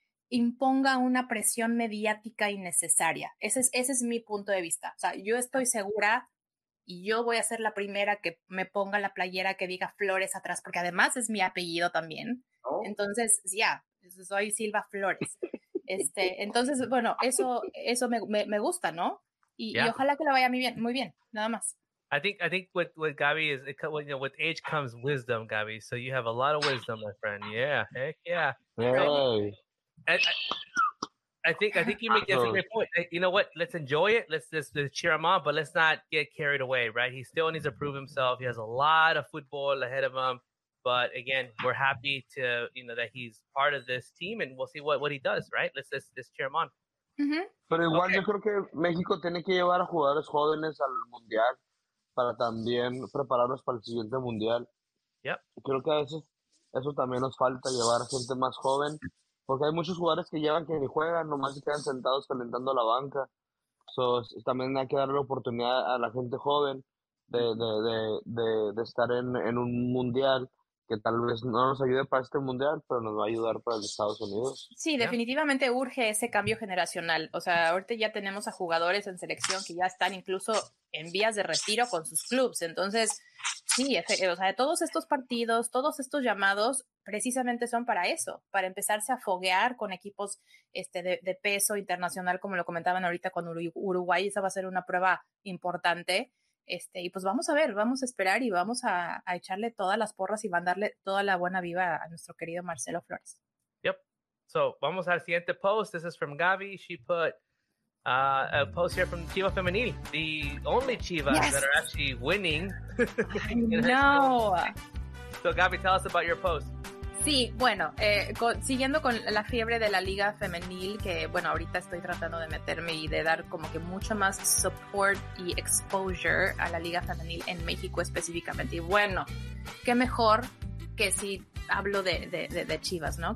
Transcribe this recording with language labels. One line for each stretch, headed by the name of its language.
Spanish: imponga una presión mediática innecesaria, ese es mi punto de vista, o sea, yo estoy segura y yo voy a ser la primera que me ponga la playera que diga Flores atrás, porque además es mi apellido también. Entonces, ya,
English: yeah,
Spanish: soy Silva Flores. Entonces, bueno, eso me gusta, ¿no? Y ojalá que lo vaya muy bien, nada más.
English: I think what Gabi is, you know, with age comes wisdom, Gabi. So you have a lot of wisdom, my friend. Yeah, heck yeah. Hey. I think you make a great point. You know what? Let's enjoy it. Let's just cheer him on, but let's not get carried away, right? He still needs to prove himself. He has a lot of football ahead of him. But again, we're happy to, you know, that he's part of this team, and we'll see what he does, right? Let's just cheer him on.
Spanish: Pero igual yo creo que México tiene que llevar a jugadores jóvenes al mundial para también prepararlos para el siguiente mundial. Creo que a veces eso también nos falta, llevar a gente más joven, porque hay muchos jugadores que llevan que ni juegan, nomás se quedan sentados calentando la banca.
English: So,
Spanish: también hay que darle oportunidad a la gente joven de estar en un mundial que tal vez no nos ayude para este mundial, pero nos va a ayudar para los Estados Unidos. Sí, definitivamente urge ese cambio generacional. O sea, ahorita ya tenemos a jugadores en selección que ya están incluso en vías de retiro con sus clubs. Entonces, sí, o sea, todos estos partidos, todos estos llamados, precisamente son para eso, para empezarse a foguear con equipos de peso internacional, como lo comentaban ahorita con Uruguay. Esa va a ser una prueba importante. Y pues vamos a ver, vamos a esperar y vamos a echarle todas las porras y mandarle toda la buena viva a nuestro querido Marcelo Flores.
English: Yep. So,
Spanish: vamos al siguiente post.
English: This is from Gaby. She put a post here from Chivas Femenil, the only Chivas that are actually winning. No. So, Gaby, tell us about your post.
Spanish: Sí, bueno, siguiendo con la fiebre de la Liga Femenil, que bueno, ahorita estoy tratando de meterme y de dar como que mucho más support y exposure a la Liga Femenil en México específicamente. Y bueno, qué mejor que si hablo de Chivas, ¿no?